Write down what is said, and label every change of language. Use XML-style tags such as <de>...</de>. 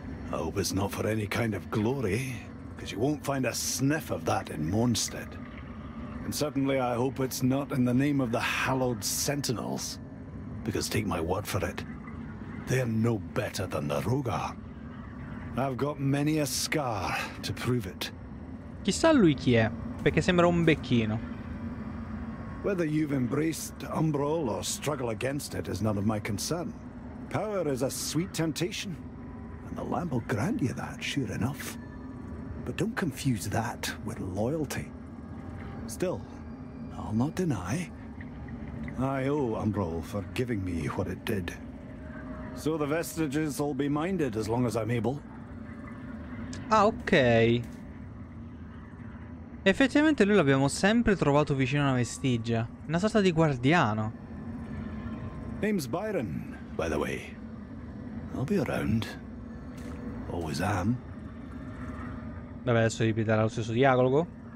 <en>I hope it's not for any kind of glory, because you won't find a sniff of that in Mondstadt. And certainly I hope it's not in the name of the hallowed sentinels, because take my word for it, they're no better than the Rogar. I've got many a scar to prove it.</en> <it>Chissà lui chi è, perché sembra un becchino.</it> <en>Whether you've embraced Umbral or struggle against it is none of my concern. Power is a sweet temptation. The lamb will grant you that, sure enough. But don't confuse that with loyalty. Still, I'll not deny. I owe Umbral for giving me what it did. So the vestiges will be minded as long as I'm able. Ah, ok.</en> <it>Effettivamente noi l'abbiamo sempre trovato vicino a una vestigia. Una sorta di guardiano.</it> <en>Name's Byron, by the way. I'll be around. Always am.</en> <it>Vabbè, adesso ripeterà lo stesso dialogo.</it>